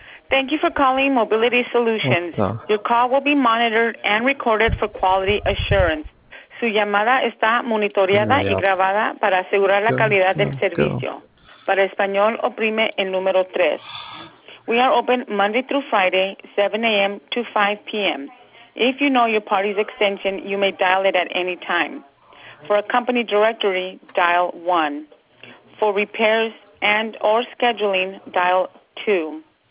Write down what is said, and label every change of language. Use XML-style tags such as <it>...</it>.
<en>Thank you for calling Mobility Solutions. Your call will be monitored and recorded for quality assurance.</en> <es>Su llamada está monitoreada y grabada para asegurar la calidad del servicio. Para español, oprime el número 3.</es> <en>We are open Monday through Friday, 7 a.m. to 5 p.m. If you know your party's extension, you may dial it at any time. For a company directory, dial 1. For repairs and or scheduling, dial 2.</en>